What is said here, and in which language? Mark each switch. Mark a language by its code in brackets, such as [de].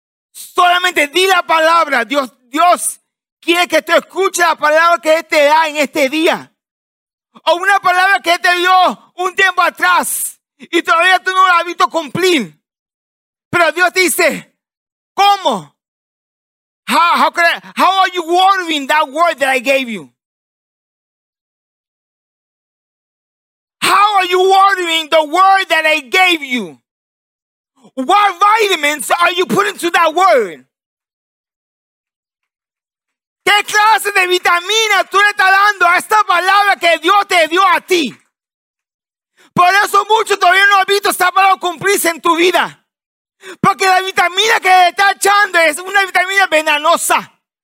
[es] Solamente di la palabra. Dios quiere que tú escuches la palabra que Él te da en este día. O una palabra que Él te dio un tiempo atrás. Y todavía tú no la has visto cumplir. Pero Dios dice, ¿cómo? [en] How are you wording that word that I gave you? How are you wording the word that I gave you? What vitamins are you putting to that word? [es] ¿Qué clase de vitamina tú le estás dando a esta palabra que Dios te dio a ti? Por eso muchos todavía no han visto esta palabra cumplirse en tu vida. Porque la vitamina que está echando es una vitamina venenosa.